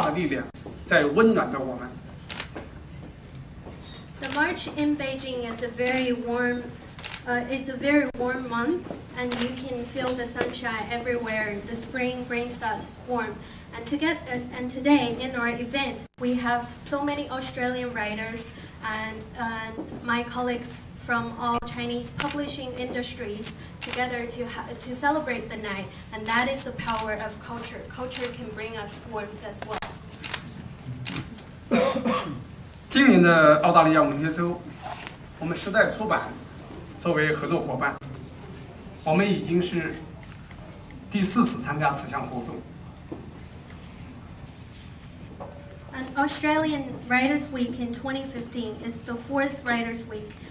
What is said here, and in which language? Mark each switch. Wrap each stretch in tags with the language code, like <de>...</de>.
<zh>春天的温暖，因为今天我们聚集了澳大利亚很多的作家和中国的出版传媒同事们共同汇聚在这里，我觉得这是一种文化的力量在温暖着我们。</zh> <en>The March in Beijing is a very warm, it's a very warm month. And you can feel the sunshine everywhere. The spring brings us warm. And today in our event, we have so many Australian writers and my colleagues from all Chinese publishing industries together to celebrate the night. And that is the power of culture. Culture can bring us warmth as well.</en> <zh>今年的澳大利亚文学周，我们时代出版作为合作伙伴。</zh> <en>An Australian Writers Week in 2015 is the fourth Writers Week.</en>